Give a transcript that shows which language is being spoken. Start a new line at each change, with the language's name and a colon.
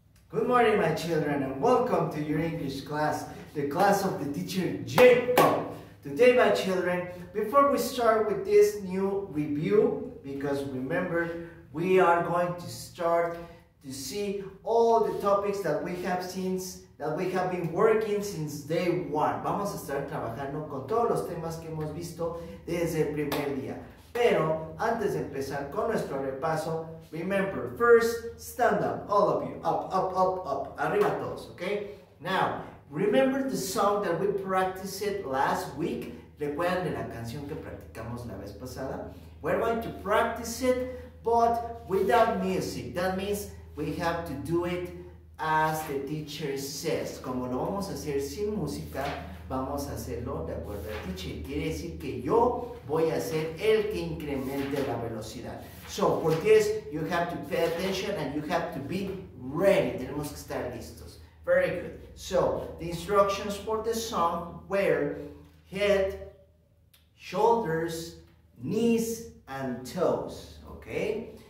English: Good morning, my children, and welcome to your English class, the class of the teacher Jacob. Today, my children, before we start with this new review, because remember, we are going to start to see all the topics that we have seen, that we have been working since day one.
Spanish: Vamos a estar trabajando con todos los temas que hemos visto desde el primer día. Pero antes de empezar con nuestro repaso,
English: remember, first, stand up, all of you, up, up, up, up,
Spanish: arriba todos,
English: okay? Now, remember the song that we practiced last week?
Spanish: ¿Recuerdan de la canción que practicamos la vez pasada?
English: We're going to practice it, but without music. That means we have to do it as the teacher says.
Spanish: Como lo vamos a hacer sin música, vamos a hacerlo de acuerdo al teacher. Quiere decir que yo voy a ser el que incremente la velocidad.
English: So, for this, you have to pay attention and you have to be ready.
Spanish: Tenemos que estar listos.
English: Very good. So, the instructions for the song were head, shoulders, knees, and toes. Okay?